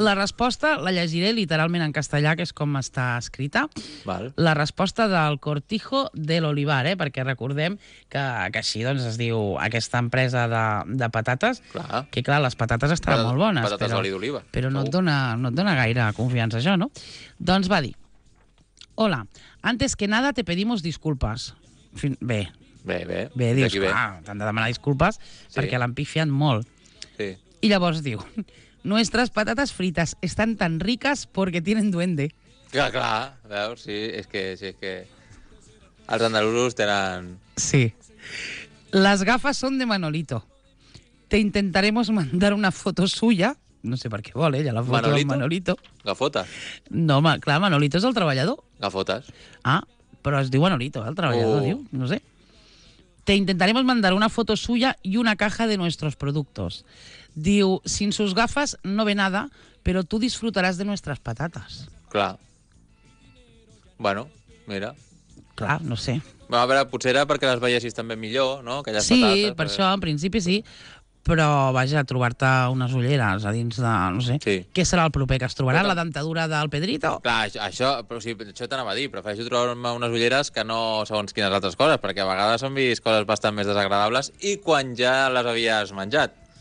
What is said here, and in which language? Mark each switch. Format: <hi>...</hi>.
<ca>La resposta la llegiré literalment en castellà, que és com està escrita. Val. La resposta del Cortijo del Olivar, perquè recordem que així doncs, es diu aquesta empresa de patates, clar. Que clar, les patates estaran molt bones. Patates d'oli d'oliva. Però no et dona gaire confiança això, no? Doncs va dir...</ca> <es>Hola, antes que nada te pedimos disculpas.</es> <ca>Bé. Bé, bé. Bé, dius, clar, t'han de demanar disculpes sí. perquè l'han pifiat molt. Sí. I llavors diu...</ca> <es>Nuestras patatas fritas están tan ricas porque tienen duende.</es> <ca>Clar, clar, veus? Sí, és que els andalusos tenen... Sí.</ca> <es>Las gafas son de Manolito. Te intentaremos mandar una foto suya.</es> <ca>No sé per què vol, ella la foto Manolito? Amb Manolito. Gafotas. No, home, clar, Manolito és el treballador. Gafotas. Ah, però es diu Manolito, el treballador, diu, no sé.</ca> <es>Te intentaremos mandar una foto suya y una caja de nuestros productos. Diu, sin sus gafas no ve nada, pero tú disfrutarás de nuestras patatas.</es> <ca>Clar. Bueno, mira. Clar, no sé. Va, a veure, potser era perquè les veiessis també millor, no? Aquelles sí, patates, per això, en principi sí. Però, vaja, trobar-te unes ulleres a dins de... No sé. Sí. Què serà el proper que es trobarà? La dentadura del Pedrito? Clar, això t'anava a dir. Prefereixo trobar-me unes ulleres que no segons quines altres coses, perquè a vegades han vist coses bastant més desagradables i quan ja les havies menjat.</ca>